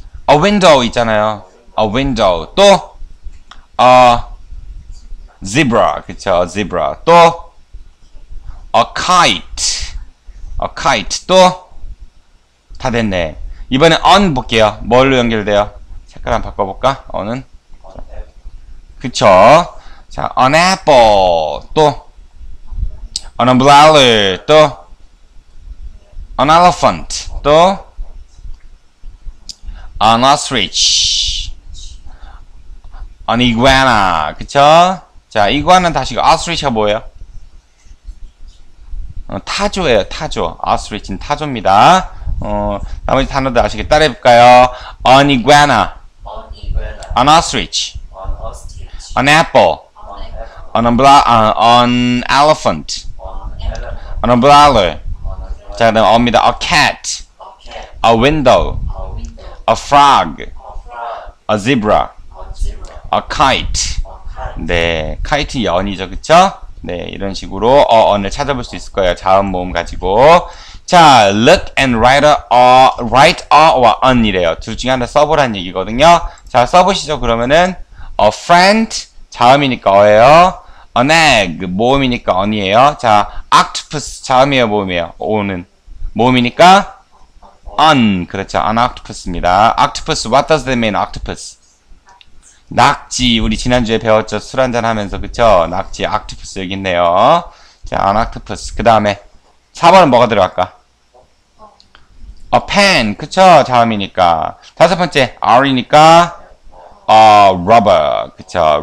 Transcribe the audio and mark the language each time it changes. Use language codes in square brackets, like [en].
[en] a window [ko] 있잖아요. [en] a window 또? zebra, 그쵸, zebra. [ko] 또, a kite, 또, 다 됐네. 이번에 on 볼게요. 뭘로 연결돼요? 색깔 한번 바꿔볼까? on은? 그쵸. [en] 자, an apple, 또, an umbrella, 또, an elephant, 또, an ostrich, an iguana, 그쵸? [ko] 자, 이거는 다시, 아스트리치가 뭐예요? 타조예요, 타조. 아스트리치는 타조입니다. 나머지 단어들 아시겠죠? [en] 따라 해볼까요? An iguana, an ostrich, an apple, an elephant, an umbrella. [ko] 자, 그 다음에 어입니다. [en] A cat, a window, a frog, a zebra, a kite. [ko] 네, 카이트 연이죠, 그쵸? 네, 이런 식으로 언을 찾아볼 수 있을 거예요. 자음 모음 가지고. 자, [en] look and write [ko] a, write a와 an 이래요. 둘 중에 하나 써보라는 얘기거든요. 자, 자, 써보시죠. 그러면은 a friend 자음이니까 어예요. an egg 모음이니까 언이에요. 자, octopus 자음이에요, 모음이에요. o는 모음이니까 an, 그렇죠. [en] an octopus입니다. octopus, what does that mean? octopus. [ko] 낙지, 우리 지난주에 배웠죠. 술 한잔 하면서, 그쵸? 낙지, octopus 여기 있네요. [en] 자, an octopus. [ko] 그 다음에, 4번은 뭐가 들어갈까? a pen, 그쵸? 자음이니까. 다섯 번째, r이니까, a rubber, 그쵸?